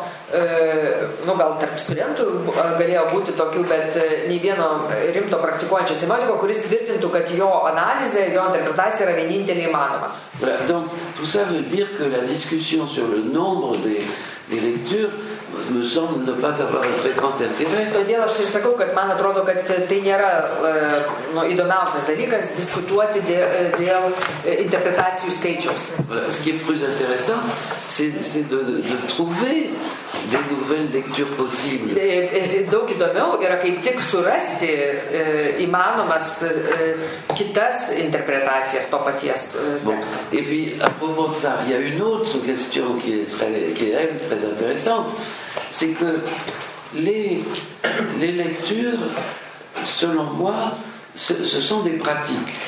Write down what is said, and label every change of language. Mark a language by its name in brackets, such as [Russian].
[Lithuanian] et nu, gal tarp studentų galėjo būti tokių, bet nei vieno rimto praktikuojančio semiotiko, kuris tvirtintų, kad jo analizė, jo interpretacija yra vienintelė įmanoma. [French] Donc, tout ça veut dire que la discussion sur le nombre des lectures me semble ne pas avoir un très grand intérêt. [Lithuanian] Todėl aš ir sakau, kad man atrodo, kad tai nėra įdomiausias dalykas diskutuoti dėl interpretacijų skaičiaus. [French] Ce qui est plus intéressant, c'est de trouver des nouvelles lectures possibles. [Lithuanian] Daug įdomiau yra kaip tik surasti įmanomas kitas interpretacijas to paties. [French] Bon. Et puis, à propos de ça, il y a une autre question qui est très intéressante. C'est que les lectures, selon moi, ce sont des pratiques.